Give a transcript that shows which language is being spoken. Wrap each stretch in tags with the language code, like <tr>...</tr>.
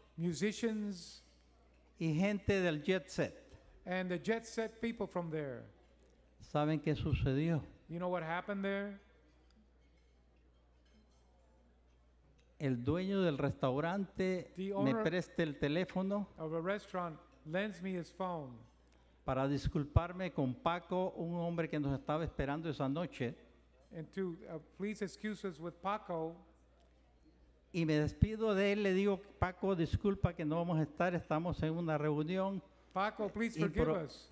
<en>Musicians.</en> <es>Y gente del jet set.</es> <en>And the jet set people from there.</en> <es>¿Saben qué sucedió?</es> <en>You know what happened there?</en> <es>El dueño del restaurante me presta el teléfono.</es> <en>The owner of a restaurant lends me his phone.</en> <es>Para disculparme con Paco, un hombre que nos estaba esperando esa noche.</es> <en>And to please excuse us with Paco.</en> <es>Y me despido de él, le digo, Paco, disculpa que no vamos a estar, estamos en una reunión.</es> <en>Paco, please forgive us.</en>